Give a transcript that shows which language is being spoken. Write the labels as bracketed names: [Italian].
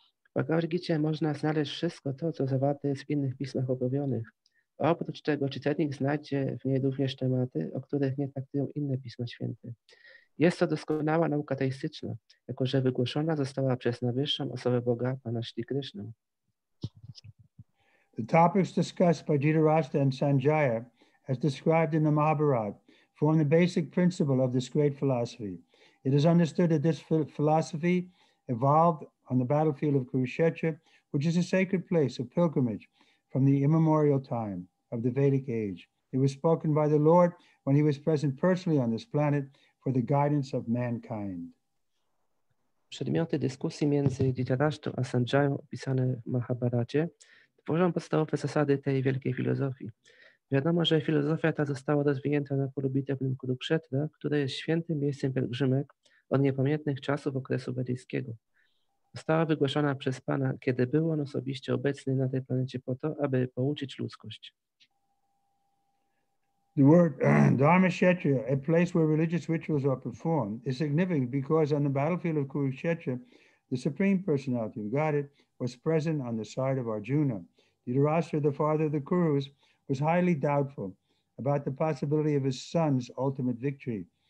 [Polish] W Bhagavad Gita można znaleźć wszystko to, co zawarte jest w innych pismach objawionych. Oprócz tego czytelnik znajdzie w niej również tematy, o których nie traktują inne Pisma Święte. Jest to doskonała nauka teistyczna, jako że wygłoszona została przez najwyższą osobę Boga, Pana Śri Krishna. [English] The topics discussed by Dhritarashtra and Sanjaya, as described in the Mahabharata, form the basic principle of this great philosophy. It is understood that this philosophy evolved on the battlefield of Kurukshetra, which is a sacred place of pilgrimage from the immemorial time of the Vedic age. It was spoken by the Lord when he was present personally on this planet for the guidance of mankind. [Polish] Przedmioty dyskusji między Dhritarashtrą a Sanjayą opisane w Mahabharacie tworzą podstawowe zasady tej wielkiej filozofii. Wiadomo, że filozofia ta została rozwinięta na polu bitewnym Kurukshetra, które jest świętym miejscem pielgrzymek od niepamiętnych czasów okresu wedyjskiego. Została wygłoszona przez Pana, kiedy był on osobiście obecny na tej planecie po to, aby pouczyć ludzkość. [English] The word Dharmakshetra, a place where religious rituals are performed, is significant because on the battlefield of Kurukshetra, the Supreme Personality of Godhead was present on the side of Arjuna. Dhritarashtra, the father of the Kurus, was highly doubtful about the possibility of his son's ultimate victory.